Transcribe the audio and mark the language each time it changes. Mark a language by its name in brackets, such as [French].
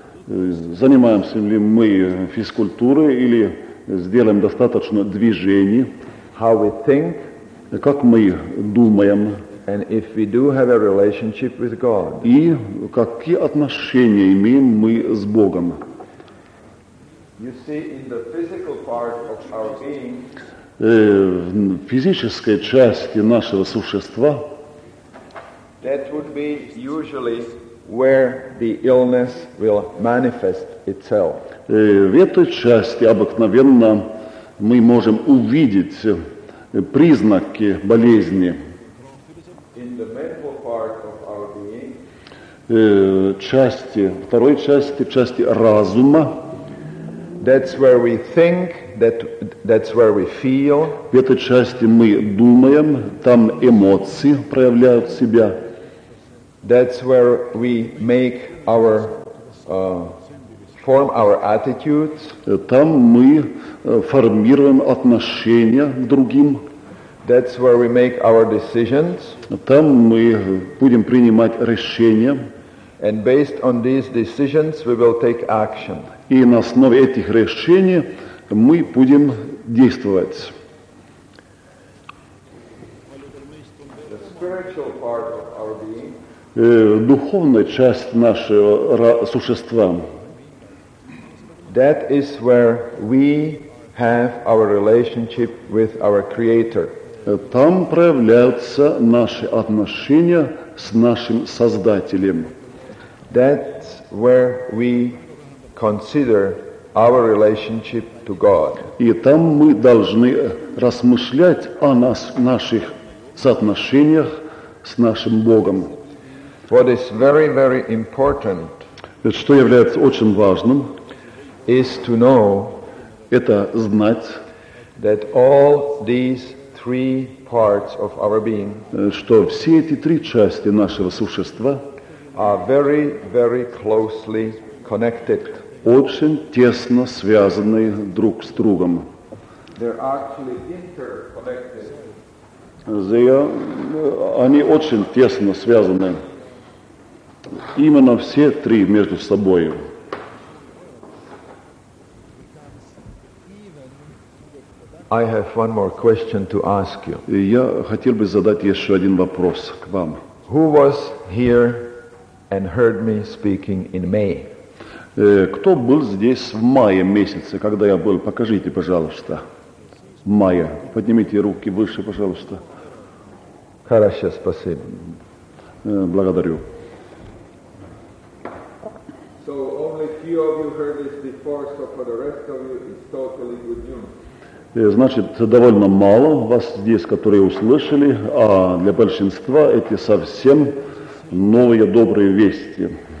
[Russian] Занимаемся ли мы физкультурой или сделаем достаточно движений. [English] How we think, [Russian] как мы думаем. [English] And if we do have a relationship with God, [Russian] и какие отношения имеем мы с Богом. [English] You see, in the physical part of our being, [Russian] в физической части нашего существа, [English] that would be usually where the illness will manifest itself. [Russian] В этой части обыкновенно мы можем увидеть признаки болезни. [English] In the mental part of our being, [Russian] части, второй части, части разума. [English] That's where we think, that's where we feel. [Russian] В этой части мы думаем, там эмоции проявляют себя. [English] That's where we make our form our attitudes. [Russian] Там мы формируем отношения к другим. [English] That's where we make our decisions. [Russian] Там мы будем принимать решения. [English] And based on these decisions, we will take action. [Russian] И на основе этих решений мы будем действовать. [English] The spiritual part of our being. [Russian] Духовная часть нашего существа. [English] That is where we have our relationship with our Creator. [Russian] Там проявляются наши отношения с нашим Создателем. [English] That's where we consider our relationship to God. [Russian] И там мы должны размышлять о нас, наших соотношениях с нашим Богом. [English] What is very, very important, [Russian] что является очень важным, [English] is to know, [Russian] это знать, [English] that all these three parts of our being, [Russian] что все эти три части нашего существа, [English] are very, very closely connected, [Russian] очень тесно связаны друг с другом. [English] They're actually interconnected. [Russian] Они очень тесно связаны. Именно все три между собой. [English] Even I have one more question to ask you. [Russian] Я хотел бы задать еще один вопрос к вам. [English] Who was here and heard me speaking in May? [Russian] Кто был здесь в мае месяце, когда я был? Покажите, пожалуйста. Мая. Поднимите руки выше, пожалуйста. Хорошо, спасибо. Благодарю. [English] So only few of you heard this before, so for the rest of you it's totally good news. [Russian] Значит, довольно мало вас здесь, которые услышали, а для большинства это совсем новые добрые вести.